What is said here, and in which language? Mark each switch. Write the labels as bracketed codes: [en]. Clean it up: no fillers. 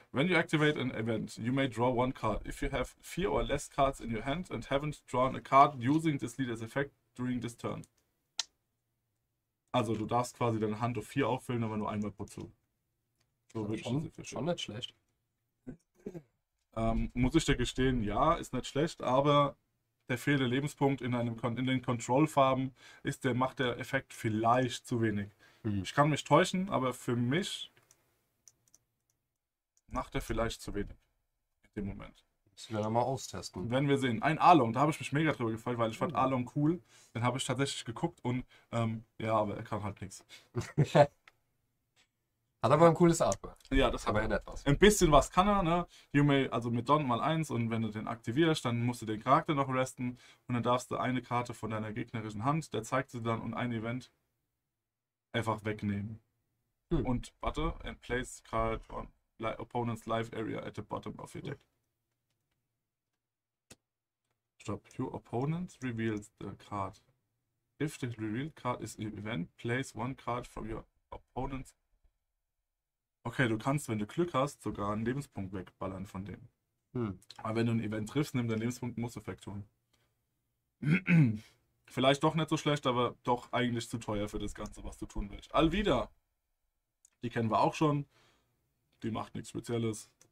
[en] When you activate an event, you may draw one card. If you have four or less cards in your hand and haven't drawn a card using this leader's effect during this turn. [de] Also du darfst quasi deine Hand auf vier auffüllen, aber nur einmal pro Zug. So wird schon nicht schlecht. Muss ich dir gestehen, ja, ist nicht schlecht, aber der fehlende Lebenspunkt in den Kontrollfarben macht der Effekt vielleicht zu wenig. Ich kann mich täuschen, aber für mich macht er vielleicht zu wenig in dem Moment. Das werden wir mal austesten. Wenn wir sehen. Ein Arlong, da habe ich mich mega drüber gefreut, weil ich fand Arlong cool. Den habe ich tatsächlich geguckt und ja, aber er kann halt nichts. Hat aber ein cooles Artwork. Ja, das hat aber er etwas. Ein bisschen was kann er, ne? [en] You may, [de] also mit Don mal eins und wenn du den aktivierst, dann musst du den Charakter noch resten und dann darfst du eine Karte von deiner gegnerischen Hand, der zeigt sie dann und ein Event einfach wegnehmen. Und warte, [en] and place card on opponent's life area at the bottom of your deck. Stop. Your opponent reveals the card. If the revealed card is an event, place one card from your opponent's. [de] Okay, du kannst, wenn du Glück hast, sogar einen Lebenspunkt wegballern von dem. Aber wenn du ein Event triffst, nimm deinen Lebenspunkt muss Effekt tun. Vielleicht doch nicht so schlecht, aber doch eigentlich zu teuer für das Ganze, was du tun willst. Alvida, die kennen wir auch schon. Die macht nichts Spezielles.